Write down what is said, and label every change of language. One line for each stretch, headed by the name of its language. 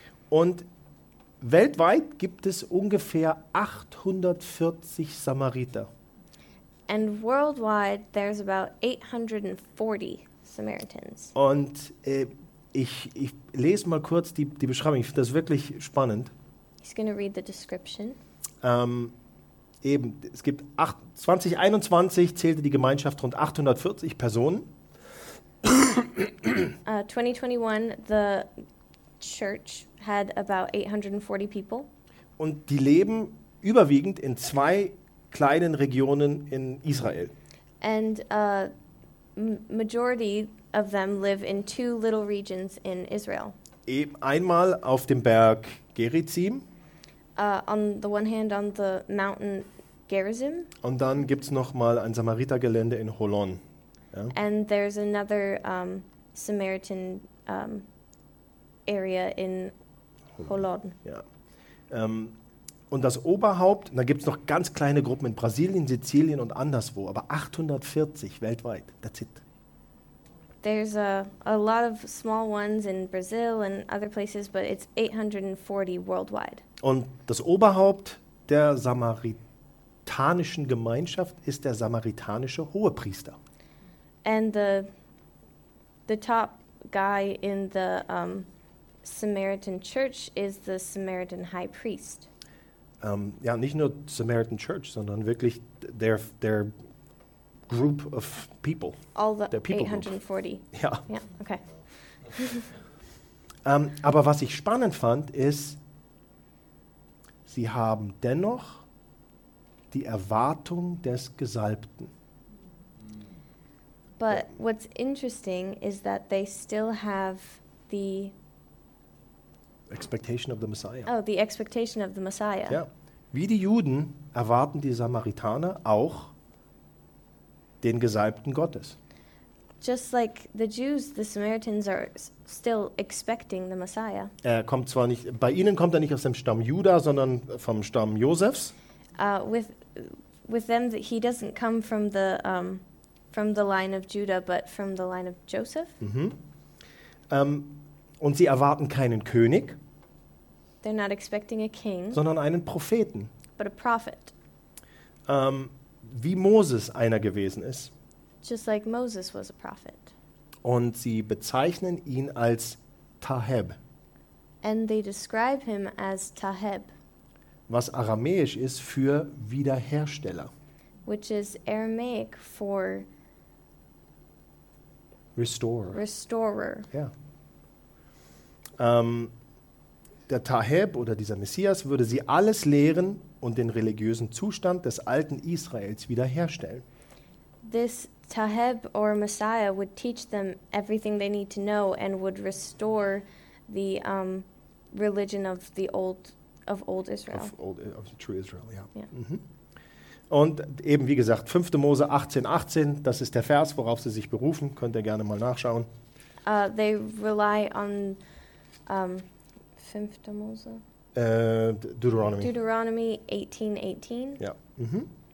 German: Und weltweit gibt es ungefähr 840 Samariter.
English: And worldwide there's about 840 Samaritans.
German: Und ich lese mal kurz die Beschreibung. Ich finde das wirklich spannend.
English: He's going to read the description.
German: Eben, es gibt 2021 zählte die Gemeinschaft rund 840 Personen.
English: 2021, the church had about 840 people.
German: Und die leben überwiegend in 2 kleinen Regionen in Israel.
English: And majority of them live in 2 little regions in Israel.
German: Einmal auf dem Berg Gerizim.
English: On the one hand on the mountain Gerizim.
German: Und dann gibt's noch mal ein Samaritergelände in Holon. Ja.
English: And there's another Samaritan area in Holon.
German: Ja. Und das Oberhaupt, da gibt es noch ganz kleine Gruppen in Brasilien, Sizilien und anderswo, aber 840 weltweit,
English: that's it. There's a lot of small ones in Brazil and other places, but it's 840 worldwide.
German: Und das Oberhaupt der samaritanischen Gemeinschaft ist der samaritanische Hohepriester.
English: And the top guy in the Samaritan Church is the Samaritan High Priest.
German: Ja, nicht nur Samaritan Church, sondern wirklich
English: their group of people. All the people 840. Group.
German: Ja. Ja, okay. aber was ich spannend fand, ist, sie haben dennoch die Erwartung des Gesalbten.
English: But what's interesting is that they still have the expectation of the Messiah. Oh, the expectation of the Messiah.
German: Ja. Wie die Juden erwarten die Samaritaner auch den Gesalbten Gottes.
English: Just like the Jews, the Samaritans are still expecting the Messiah.
German: Er kommt zwar nicht, bei ihnen kommt er nicht aus dem Stamm Juda, sondern vom Stamm Josefs.
English: With them, he doesn't come from the from the line of Judah, but from the line of Joseph. Mm-hmm.
German: Und sie erwarten keinen König.
English: They're not expecting a king.
German: Sondern einen Propheten.
English: But a prophet.
German: Wie Moses einer gewesen ist.
English: Just like Moses was a prophet.
German: Und sie bezeichnen ihn als Taheb.
English: And they describe him as Taheb.
German: Was aramäisch ist für Wiederhersteller.
English: Which is Aramaic for Restorer.
German: Ja. Der Taheb oder dieser Messias würde sie alles lehren und den religiösen Zustand des alten Israels wiederherstellen.
English: This Taheb or Messiah would teach them everything they need to know and would restore the religion of the old Israel. Of the true Israel, ja. Yeah. Mm-hmm.
German: Und eben, wie gesagt, 5. Mose 18,18, das ist der Vers, worauf sie sich berufen. Könnt ihr gerne mal nachschauen.
English: They rely on 5. Mose? Deuteronomy. Deuteronomy 18,18.
German: Ja. Mhm.